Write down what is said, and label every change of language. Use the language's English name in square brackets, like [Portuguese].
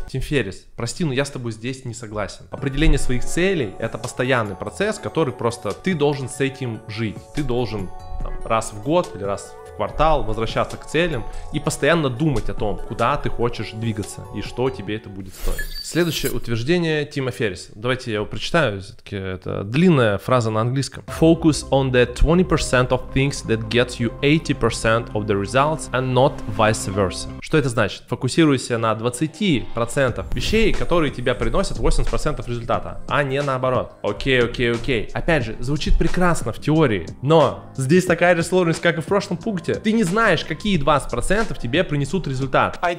[Russian] Тим Феррис, прости, но я с тобой здесь не согласен. Определение своих целей – это постоянный процесс, который просто ты должен с этим жить. Ты должен там, раз в год или раз в квартал возвращаться к целям и постоянно думать о том, куда ты хочешь двигаться и что тебе это будет стоить. Следующее утверждение Тима Ферриса. Давайте я его прочитаю. Все-таки это длинная фраза на английском. [English] Focus on the 20% of things that gets you 80% of the results and not vice versa. [Russian] Что это значит? Фокусируйся на 20% вещей, которые тебе приносят 80% результата, а не наоборот. Окей, окей, окей. Опять же, звучит прекрасно в теории, но здесь такая же сложность, как и в прошлом пункте. Ты не знаешь, какие 20% тебе принесут результат.